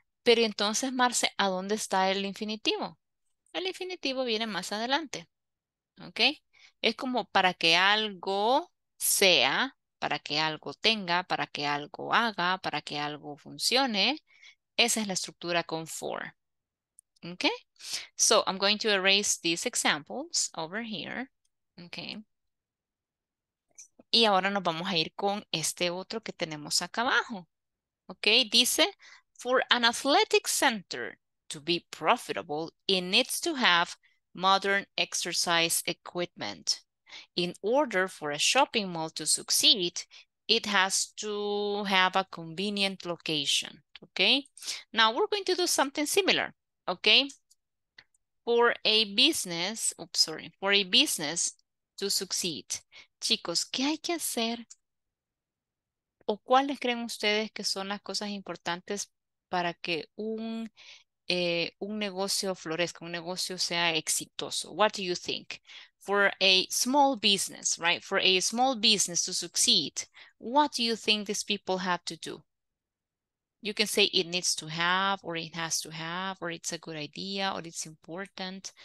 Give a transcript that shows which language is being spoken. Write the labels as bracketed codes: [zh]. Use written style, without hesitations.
[es] Pero entonces, Marce, ¿a dónde está el infinitivo? El infinitivo viene más adelante, okay? Es como para que algo sea, para que algo tenga, para que algo haga, para que algo funcione. Esa es la estructura con for. Okay? [en] So I'm going to erase these examples over here. [es] Okay? Y ahora nos vamos a ir con este otro que tenemos acá abajo. [en] Okay? [es] Dice, [en] for an athletic center to be profitable, it needs to have modern exercise equipment. In order for a shopping mall to succeed, it has to have a convenient location, okay? Now we're going to do something similar, okay? For a business, oops, sorry, for a business to succeed. [es] Chicos, ¿qué hay que hacer? ¿O cuáles creen ustedes que son las cosas importantes para que un negocio florezca, un negocio sea exitoso? [en] What do you think? For a small business, right? For a small business to succeed, what do you think these people have to do? You can say it needs to have, or it has to have, or it's a good idea, or it's important.